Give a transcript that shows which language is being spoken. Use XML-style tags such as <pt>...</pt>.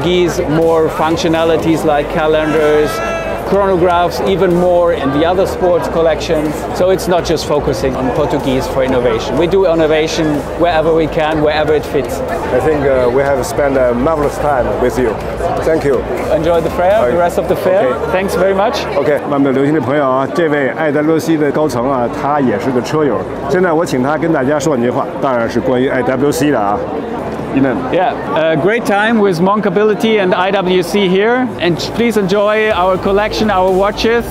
<en>Portuguese more functionalities like calendars, chronographs, even more in the other sports collections. So it's not just focusing on Portuguese for innovation. We do innovation wherever we can, wherever it fits. I think we have spent a marvelous time with you. Thank you. Enjoy the fair, the rest of the fair. Okay. Thanks very much. Okay.</en> <zh>漫步流行的朋友啊，这位爱达洛西的高层啊，他也是个车友。现在我请他跟大家说几句话，当然是关于 IWC 的啊。</zh> <en>Yeah, a great time with Moncability and IWC here. And please enjoy our collection, our watches.</en>